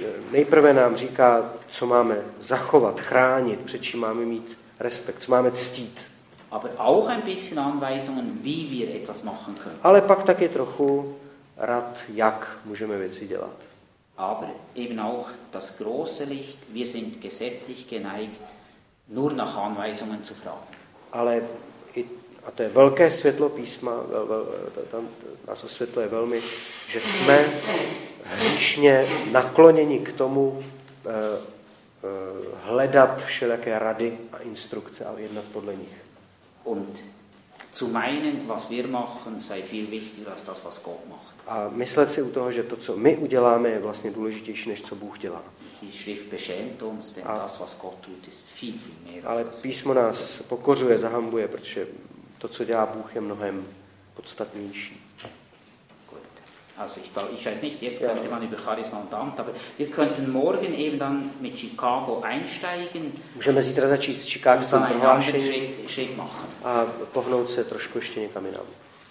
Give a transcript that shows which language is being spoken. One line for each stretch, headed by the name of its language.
Czech: Nejprve nám říká, co máme zachovat, chránit, před čím máme mít respekt, co máme ctít.
German: Aber auch ein bisschen Anweisungen, wie wir etwas machen können.
Czech: Ale pak taky trochu rad, jak můžeme věci dělat.
German: Aber eben auch das große Licht, wir sind gesetzlich geneigt, nur nach Anweisungen zu fragen.
Czech: Ale i, a to je velké světlo písma, tam nás osvětluje velmi, že jsme hříšně nakloněni k tomu hledat všelijaké rady a instrukce a jednat podle nich.
German: Und zu meinen, was wir machen, sei viel wichtiger als das, was Gott macht.
Czech: A myslet si u toho, že to, co my uděláme, je vlastně důležitější, než co Bůh dělá.
German: Die Schrift beschämt uns, denn das, was Gott tut, ist viel, viel mehr.
Czech: Ale písmo nás pokořuje, zahambuje, protože to, co dělá Bůh, je mnohem podstatnější.
German: Gut. Also ich weiß nicht, jetzt könnte man über Charisma und Amt, aber wir könnten morgen eben dann mit Chicago einsteigen.
Czech: Můžeme zítra začít s Chicagem prohlášením a pohnout se trošku ještě někam jinam.